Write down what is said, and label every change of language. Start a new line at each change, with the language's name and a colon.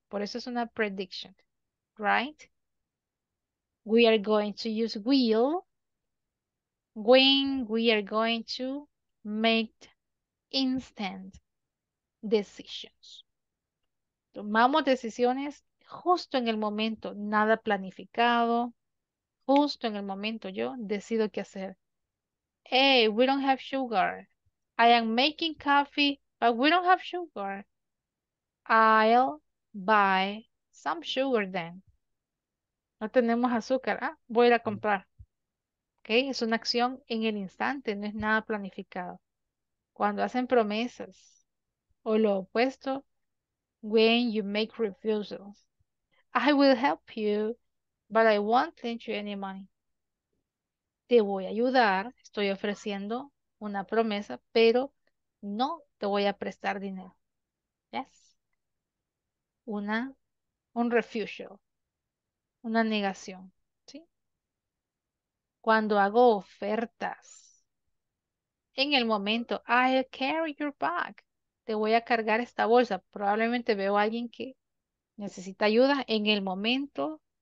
Spanish: Por eso es una
English: prediction. Right? We are going to use will when we are going to make instant decisions.
Spanish: Tomamos decisiones justo en el momento. Nada planificado. Justo en el momento yo decido qué hacer.
English: Hey, we don't have sugar. I am making coffee, but we don't have sugar. I'll buy some sugar then.
Spanish: No tenemos azúcar. Ah, voy a ir a comprar. Okay, es una acción en el instante, no es nada planificado. Cuando hacen promesas, o lo opuesto,
English: when you make refusals. I will help you, but I won't lend you any money.
Spanish: Te voy a ayudar, estoy ofreciendo una promesa, pero no te voy a prestar dinero. Yes. Un refusal, una negación, ¿sí? Cuando hago ofertas, en el momento,
English: I'll carry your bag,
Spanish: te voy a cargar esta bolsa, probablemente veo a alguien que necesita ayuda, en el momento.